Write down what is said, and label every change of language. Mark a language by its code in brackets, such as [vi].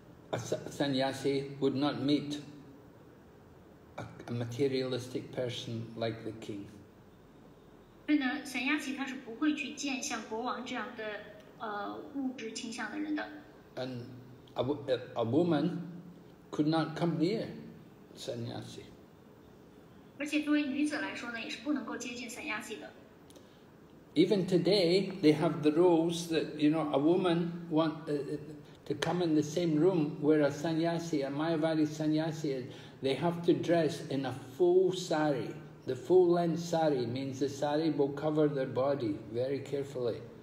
[en] A sannyasi would not meet a materialistic person like the king. [zh] 所以呢，三亚西他是不会去见像国王这样的物质倾向的人的。 [en] And a woman could not come near sannyasi. [zh] 而且作为女子来说呢，也是不能够接近三亚西的。 [en] Even today, they have the rules that, you know, a woman want to come in the same room where a sannyasi, a Mayavadi sannyasi is, they have to dress in a full sari. The full-length sari means the sari will cover their body very carefully.